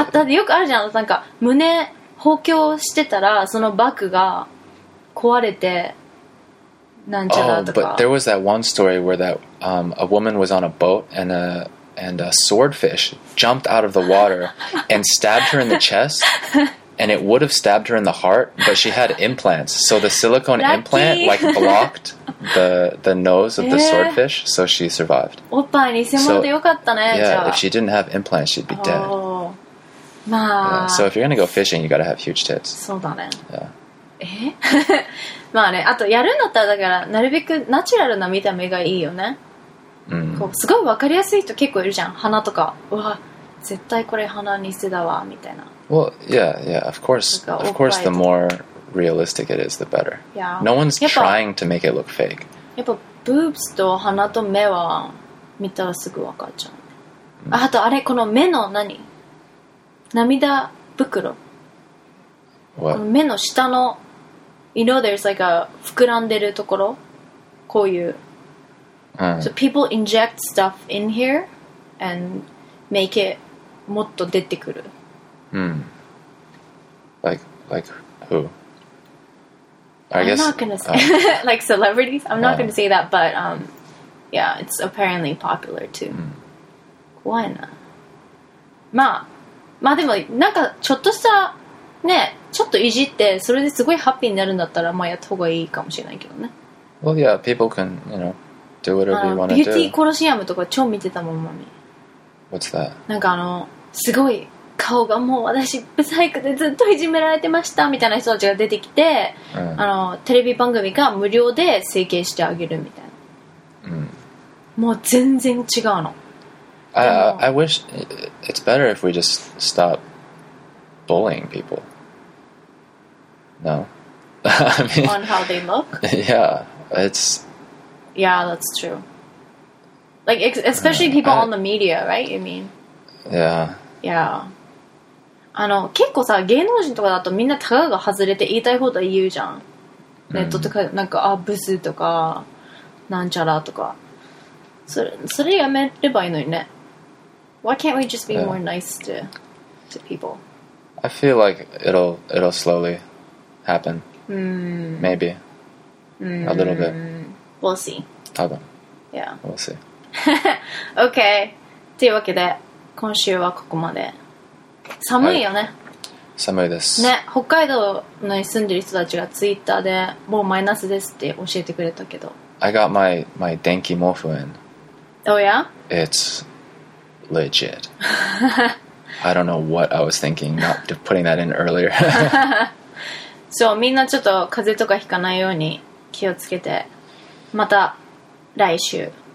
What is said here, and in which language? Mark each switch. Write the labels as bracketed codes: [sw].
[ja] あ、だってよくあるじゃん。なんか胸包茎してたらそのバッグが壊れてなんちゃらとか。 [en] Oh, but there was that one story where that a woman was on a boat and a swordfish jumped out of the water and stabbed her in the chest and it would have stabbed her in the heart but she had implants so the silicone Lucky. implant like blocked the nose of the swordfish so she survived [ja] おっぱい偽物でよかったね、 [en] so, yeah, if she didn't have implants she'd be dead、 oh. [ja] まあ [en] yeah, so if you're gonna go fishing you gotta have huge tits [ja] そうだね、 [en] yeah. [ja] まあね、あとやるんだったらだからなるべくナチュラルな見た目がいいよねうん、こうすごい分かりやすい人結構いるじゃん鼻とかうわ絶対これ鼻にしてたわみたいな [en] Well, yeah, yeah, of course Of course the more realistic it is, the better、 yeah. No one's trying to make it look fake [ja] やっぱ boobs と鼻と目は見たらすぐ分かっちゃう、ねうん、あとあれこの目の何涙袋、 [en] What? [ja] この目の下の [en] You know there's like a [ja] 膨らんでるところこういう [en] So people inject stuff in here and make it [ja] もっと出てくる。 [en] Mm. Like who? I'm not gonna say like celebrities. I'm not gonna say that, but yeah, it's apparently popular too. [ja] Mm. 怖いな。まあでもなんかちょっとしたね、ちょっといじってそれですごいハッピーになるんだったらまあやった方がいいかもしれないけどね。 [en] Well, yeah, people can, you know. Do whatever you want to do. [ja] ビューティーコロシアムとか超見てたもん、マミ。 [en] What's that? [ja] なんかすごい顔がもう私、ブサイクでずっといじめられてましたみたいな人たちが出てきて、 mm. テレビ番組が無料で整形してあげるみたいな。 Mm. もう全然違うの。 [en] I wish it's better if we just stop bullying people. No. I mean, on how they look? Yeah, it's... Yeah, that's true. Like, especially people on the media, right? You mean? Yeah. Yeah. [ja] あの、結構さ、芸能人とかだとみんなタガが外れて言いたい放題言うじゃん。ネットとか、なんか、あ、ブスとか、なんちゃらとか。それやめればいいのにね。 [en] Why can't we just be more nice to people? I feel like it'll slowly happen. Maybe. A little bit. We'll see. [ja] 多分。 [en] Yeah. We'll see. Okay. [ja] というわけで、今週はここまで。寒いよね、はい、寒いです、ね、北海道に住んでる人たちがツイッターでもうマイナスですって教えてくれたけど [en] I got my 電気毛布 in Oh yeah? It's legit I don't know what I was thinking not putting that in earlier [ja] そうみんなちょっと風邪とかひかないように気をつけてまた来週